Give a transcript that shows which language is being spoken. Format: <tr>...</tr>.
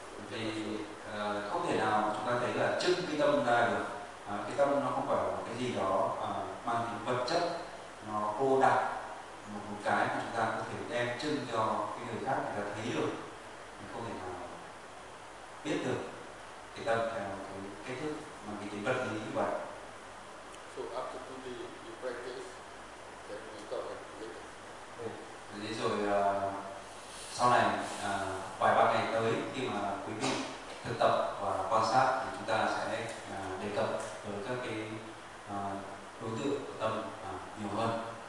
<vi>Vì không thể nào chúng ta thấy là trưng cái tâm ra được, cái tâm nó không phải một cái gì đó mang tính vật chất, nó cô đặc, một cái mà chúng ta có thể đem trưng cho cái người khác người ta thấy được, mình không thể nào biết được cái tâm theo một cái cách thức mà cái tính vật lý như vậy.</vi> <en>So after two days you practice, then we talk later.</en> <vi>Thế rồi sau này vài ba ngày tới khi mà quý vị thực tập và quan sát thì chúng ta sẽ đề cập tới các cái đối tượng của tâm nhiều hơn.</vi>